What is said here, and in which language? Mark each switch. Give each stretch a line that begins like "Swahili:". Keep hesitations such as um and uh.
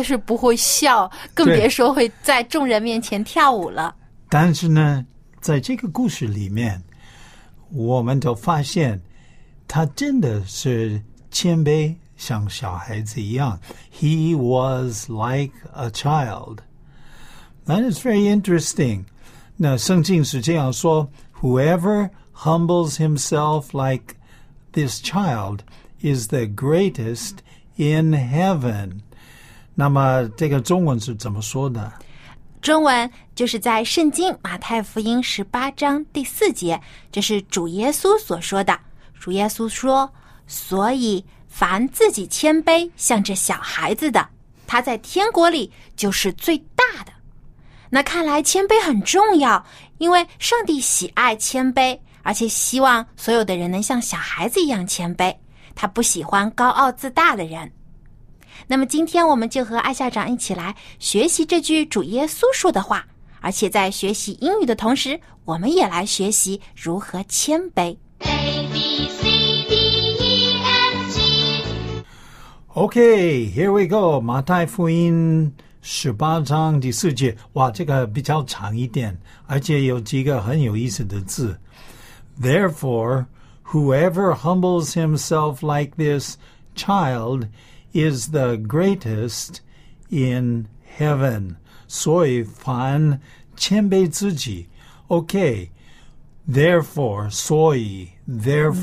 Chinese: 是不会笑，啊、更别说会在众人面前跳舞了。但是呢，在这个故事里面，我们都发现他真的是谦卑，像小孩子一样。
English: He was like a child. That is very interesting.
Chinese: 那圣经是这样说：
English: Whoever humbles himself like this child is the greatest in heaven。
Chinese: 那么这个中文是怎么说的？中文就是在《圣经》马太福音十八章第四节，这是主耶稣所说的。主耶稣说：“所以，凡自己谦卑像这小孩子的，他在天国里就是最大的。 ”那看来谦卑很重要，因为上帝喜爱谦卑。而且希望所有的人能像小孩子一样谦卑，他不喜欢高傲自大的人。那么今天我们就和艾校长一起来学习这句主耶稣说的话，而且在学习英语的同时，我们也来学习如何谦卑。
English: A B C D E F G。 Okay, here we go.
Chinese: 马太福音十八章第四节。哇，这个比较长一点，而且有几个很有意思的字。
English: Therefore, whoever humbles himself like this child is the greatest in heaven. Soy fan chembei Okay. Therefore, soy, therefore.